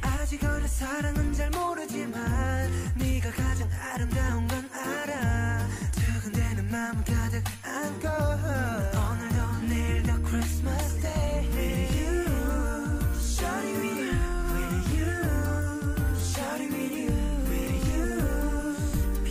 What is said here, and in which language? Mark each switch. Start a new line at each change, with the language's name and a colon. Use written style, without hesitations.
Korean: 아직 어려 사랑은 잘 모르지만 네가 가장 아름다운 건 알아. 두근대는 마음 가득 안고. 오늘도 내일도 Christmas Day.
English: With you, shawty with you, with you, shawty with you, with you.